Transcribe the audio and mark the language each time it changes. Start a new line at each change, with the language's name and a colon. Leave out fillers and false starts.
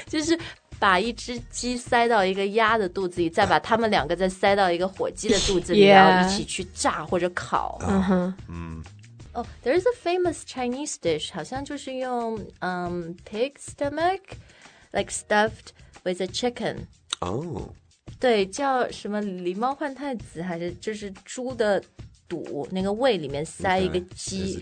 Chinese: 就是把一只鸡塞到一个鸭的肚子里，再把它们两个再塞到一个火鸡的肚子里、
English: yeah.
Chinese: 然后一起去炸或者烤。 Uh-huh.
English: Oh, there is a famous Chinese dish,
Chinese: 好像就是用、
English: pig stomach, like stuffed with a chicken. Oh.
Chinese: 对，叫什么狸猫换太子，还是就是猪的肚，那个胃里面塞一个鸡、